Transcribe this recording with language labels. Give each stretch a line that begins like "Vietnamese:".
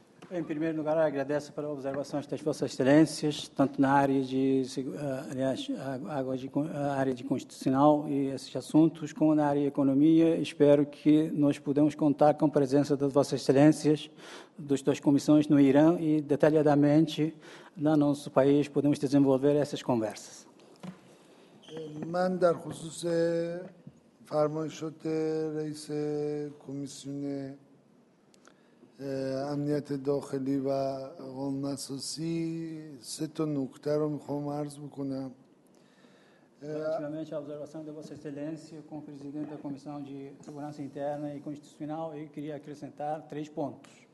Portuguese: Em primeiro lugar, agradeço pela observação das Vossas Excelências, tanto na área de, aliás, área de constitucional e esses assuntos, como na área de economia. Espero que nós podemos contar com a presença das Vossas Excelências, das duas comissões no Irã e, detalhadamente, no nosso país, podemos desenvolver essas conversas.
Persian: Mandar خصوص فرمایشات رئیس کمیسیون امنیت داخلی و قانون اساسی سه تا نکته رو میخوام عرض بکنم.
Portuguese: Principalmente a observação de Vossa Excelência como presidente da Comissão de Segurança Interna e Constitucional, eu queria acrescentar três pontos.